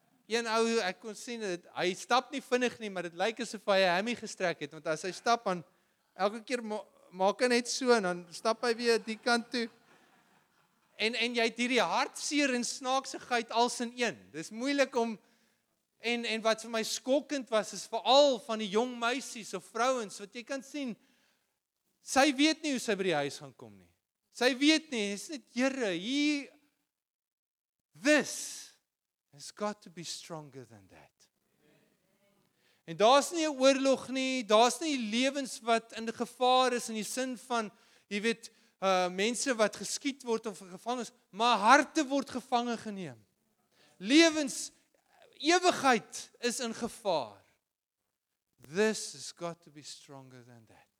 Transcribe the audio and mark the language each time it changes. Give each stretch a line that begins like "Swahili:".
Afrikaans: Een ou, ek kon sien, hy stap nie vinnig nie, maar dit lyk asof hy 'n hemmie gestrek het, want as hy stap, dan elke keer maak hy net so, en dan stap hy weer die kant toe. En jy het hierdie hartseer en snaaksigheid als in een. Dis moeilik om, en wat vir my skokkend was, is veral van die jong meisies of vrouens, wat jy kan sien, sy weet nie hoe sy by die huis gaan kom nie. Sy weet nie, is dit Here,
English: this has got to be stronger than that.
Afrikaans: En daar is nie 'n oorlog nie, daar is nie lewens wat in gevaar is, in die sin van, jy weet, mense wat geskiet word of gevang is, maar harte word gevange geneem. Lewens, ewigheid is in gevaar.
English: This has got to be stronger than that.